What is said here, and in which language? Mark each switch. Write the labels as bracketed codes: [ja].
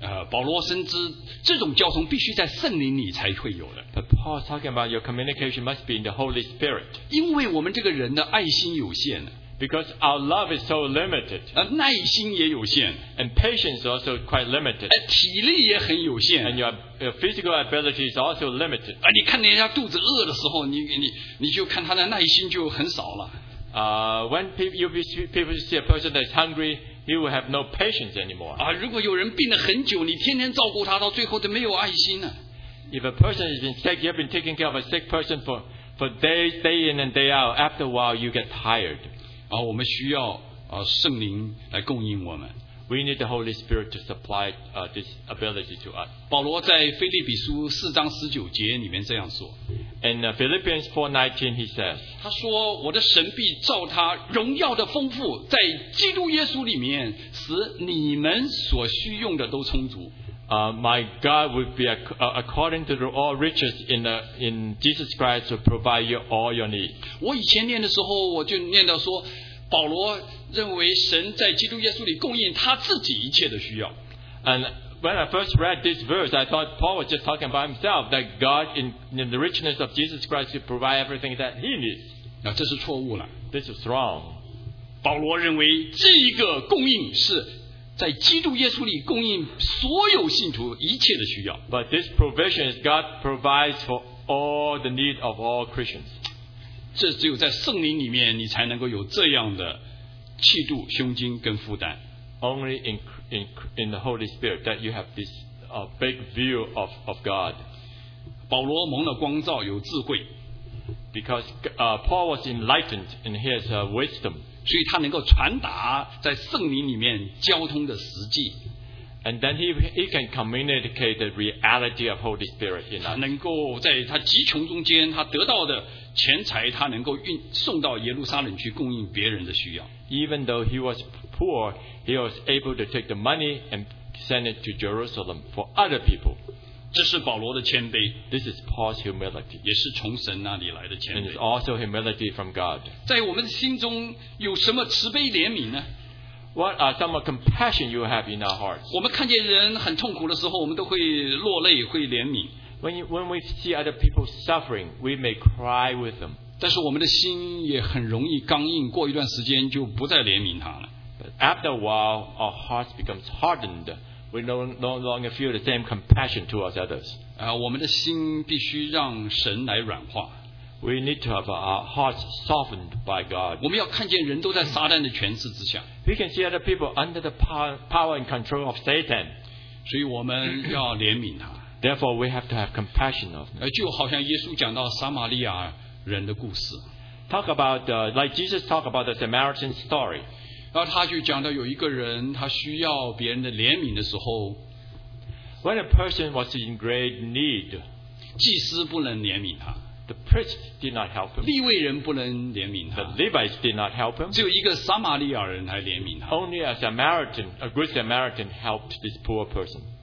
[zh] 保罗深知这种交通必须在圣灵里才会有的。 [en] But Paul is talking about your communication must be in the Holy Spirit. [zh] 因为我们这个人的爱心有限。 [en] Because our love is so limited. [zh] 耐心也有限。 [en] And patience is also quite limited. [zh] 体力也很有限。 [en] And your physical ability is also limited. [zh] 你看人家肚子饿的时候，你就看他的耐心就很少了。 [en] When people see a person that's hungry, he will have no patience anymore. [zh] 如果有人病了很久，你天天照顾他，到最后都没有爱心了。 [en] If a person has been sick, you've been taking care of a sick person for days, day in and day out. After a while, you get tired. [zh] 我们需要圣灵来供应我们。 [en] We need the Holy Spirit to supply this ability to us. [zh] 保罗在腓立比书四章十九节里面这样说。 [en] In Philippians 4:19, he says. [zh] 他说：“我的神必照他荣耀的丰富，在基督耶稣里面，使你们所需用的都充足。” [en] My God would be according to the all riches in Jesus Christ to provide you all your need. [zh] 我以前念的时候，我就念到说，保罗认为神在基督耶稣里供应他自己一切的需要。 [en] And when I first read this verse, I thought Paul was just talking about himself, that God in the richness of Jesus Christ to provide everything that he needs. [zh] 那这是错误了。 [en] This is wrong. [zh] 保罗认为这个供应是。在基督耶稣里供应所有信徒一切的需要。 [en] But this provision is God provides for all the need of all Christians. [zh] 这只有在圣灵里面，你才能够有这样的气度、胸襟跟负担。 [en] Only in the Holy Spirit that you have this big view of God. [zh] 保罗蒙了光照，有智慧。 [en] Because Paul was enlightened in his wisdom. [zh] 所以他能够传达在圣灵里面交通的实际。 [en] And then he can communicate the reality of Holy Spirit in us. [zh] 他能够在他极穷中间，他得到的钱财，他能够运送到耶路撒冷去供应别人的需要。 [en] Even though he was poor, he was able to take the money and send it to Jerusalem for other people. [zh] 这是保罗的谦卑。 [en] This is Paul's humility. [zh] 也是从神那里来的谦卑。 [en] And it's also humility from God. [zh] 在我们心中有什么慈悲怜悯呢？ [en] What are some compassion you have in our hearts? [zh] 我们看见人很痛苦的时候，我们都会落泪，会怜悯。 [en] When we see other people suffering, we may cry with them. [zh] 但是我们的心也很容易刚硬，过一段时间就不再怜悯他了。 [en] But after a while, our hearts become hardened. we no longer feel the same compassion towards others. [zh] 我们的心必须让神来软化。 [en] We need to have our hearts softened by God. [zh] 我们要看见人都在撒旦的权势之下。 [en] We can see other people under the power and control of Satan. [zh] 所以我们要怜悯他。 [en] Therefore, we have to have compassion of them. [zh] 就好像耶稣讲到撒玛利亚人的故事。 [en] Talk about like Jesus talked about the Samaritan story. [zh] 然后他就讲到有一个人，他需要别人的怜悯的时候。 [en] When a person was in great need, [zh] 祭司不能怜悯他。 [en] The priest did not help him. [zh] 利未人不能怜悯他。 [en] The Levites did not help him. [zh] 只有一个撒玛利亚人来怜悯他。 [en] Only a Samaritan, a good Samaritan, helped this poor person.